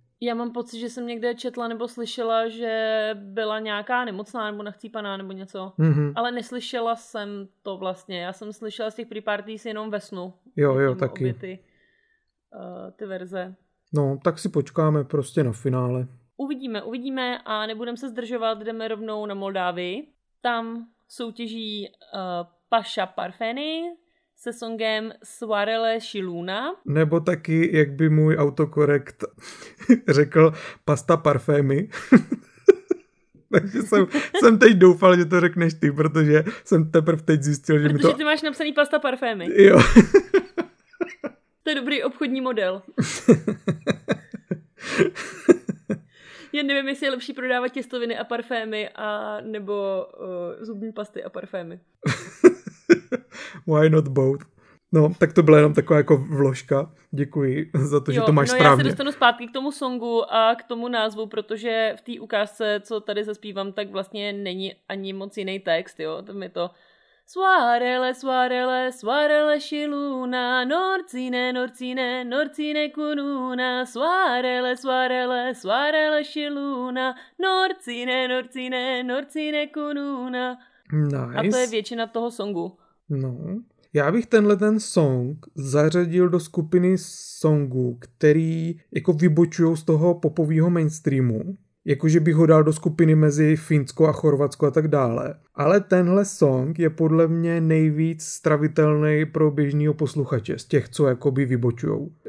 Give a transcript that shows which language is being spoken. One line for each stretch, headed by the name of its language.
Czech: Já mám pocit, že jsem někde četla nebo slyšela, že byla nějaká nemocná nebo nachcípaná nebo něco. Mm-hmm. Ale neslyšela jsem to vlastně. Já jsem slyšela z těch pre-parties jenom ve snu. Jo, taky. Ty verze. No, tak si počkáme prostě na finále. Uvidíme a nebudem se zdržovat. Jdeme rovnou na Moldávii. Tam soutěží Paša Parfeny se songem Soarele și Luna. Nebo taky, jak by můj autokorekt řekl, Pasta Parfémy. Takže jsem teď doufal, že to řekneš ty, protože jsem teprve teď zjistil, že protože ty máš napsaný Pasta Parfémy. Jo. To je dobrý obchodní model. Já nevím, jestli je lepší prodávat těstoviny a parfémy, a nebo zubní pasty a parfémy.
English: Why not both?
Czech: No, tak to byla jenom taková jako vložka. Děkuji za to, jo, že to máš no, správně. Já se dostanu zpátky k tomu songu a k tomu názvu, protože v té ukázce, co tady zaspívám, tak vlastně není ani moc jiný text, jo. Tam je to
Romanian: Soarele, soarele, soarele și luna, norcine, norcine, norcine cu luna, soarele, soarele, soarele și luna, norcine, norcine, norcine cu luna.
English: Nice.
Czech: A to je většina toho songu. No, já bych tenhle ten song zařadil do skupiny songů, který jako vybočují z toho popového mainstreamu. Jakože bych ho dal do skupiny mezi Finsko a Chorvatsko a tak dále. Ale tenhle song je podle mě nejvíc stravitelný pro běžného posluchače z těch, co jakoby vybočujou.